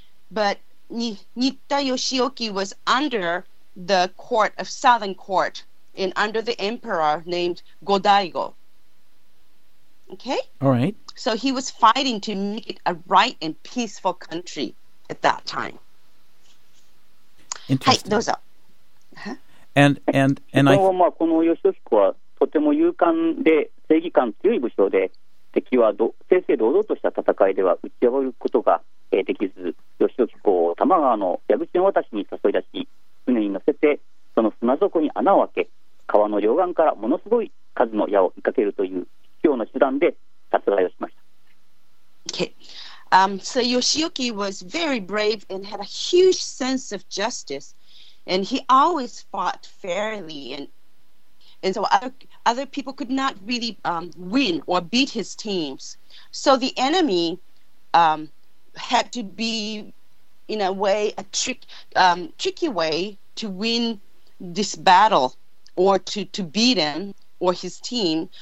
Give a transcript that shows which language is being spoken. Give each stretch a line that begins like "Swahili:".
English: But Nitta Yoshioki was under the court of southern court and under the emperor named Go-Daigo. Okay? All right. So he was fighting to make it a right and peaceful country at that time. Interesting.
Japanese: はい、どうぞ。
English: And I...
Japanese: まあ、この義彦はとても勇敢で正義感強い武将で、敵は正々堂々とした戦いでは打ち破ることができず、義彦を玉川の矢口の渡しに誘い出し、船に乗せてその砂底に穴を開け、川の両岸からものすごい数の矢を追いかけるという卑怯な手段で殺害をしました。
English: Okay. So Yoshioki was very brave and had a huge sense of justice, and he always fought fairly, and so other people could not really win or beat his teams. So the enemy had to be in a way a tricky way to win this battle or to beat him or his team.